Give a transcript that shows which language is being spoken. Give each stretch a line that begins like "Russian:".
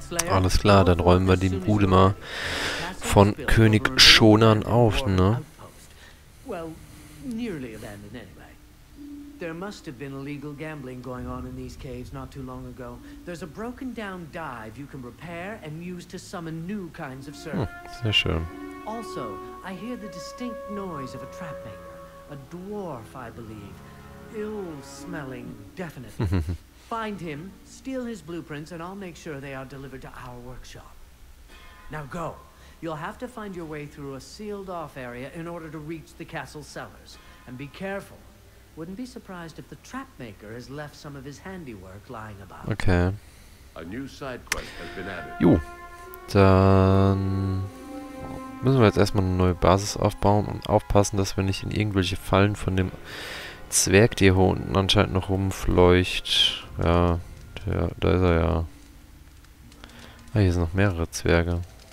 German: Alles klar, dann räumen wir den Bude mal von König Shonan auf, ne?
English: Well, nearly abandoned anyway. There must have been illegal gambling going on in these caves not too long ago. There's a broken down dive you can repair and use to summon new kinds of servants.
German: Sehr schön.
English: Also, I hear the distinct noise of a trap maker, a dwarf, I believe. Ill-smelling, definitely. Find him, steal his blueprints, and I'll make sure they are delivered to our workshop. Now go. You'll have to find your way through a sealed-off area in order to reach the castle cellars. And be careful. Wouldn't be surprised if the trap maker has left some of his handiwork lying about. Okay. A new side quest has been added.
German: Jo. Dann müssen wir jetzt erstmal eine neue Basis aufbauen und aufpassen, dass wir nicht in irgendwelche Fallen von dem Zwerg, der hier unten anscheinend noch rumfleucht. Ja, der, da ist er ja. Ah, hier sind noch mehrere Zwerge.